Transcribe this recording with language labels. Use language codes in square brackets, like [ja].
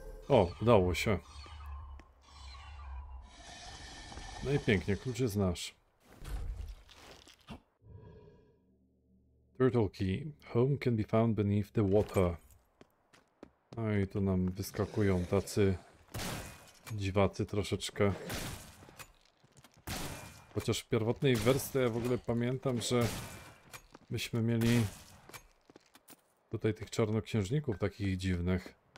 [pl] O, udało się. No i pięknie, klucze znasz. [en] Turtle key. Home can be found beneath the water. [pl] No i tu nam wyskakują tacy dziwacy troszeczkę. Chociaż w pierwotnej wersji ja w ogóle pamiętam, że myśmy mieli tutaj tych czarnoksiężników takich dziwnych.